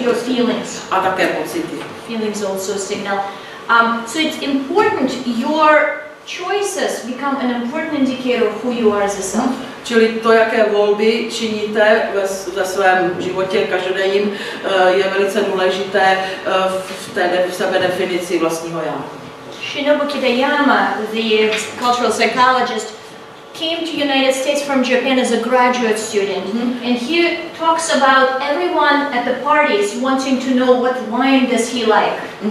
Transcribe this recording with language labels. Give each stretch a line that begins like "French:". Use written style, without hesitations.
English: Or also your feelings.
Czech: A také pocity.
English: Feelings also signal. So it's important your choices become an important indicator of who you are as a self.
Czech: Čili to, jaké volby činíte ve svém životě každodenním, je velice důležité v sebe definici vlastního já.
English: Shinobu Kitayama, the cultural psychologist, came to United States from Japan as a graduate student, and he talks about everyone at the parties wanting to know what wine does he like.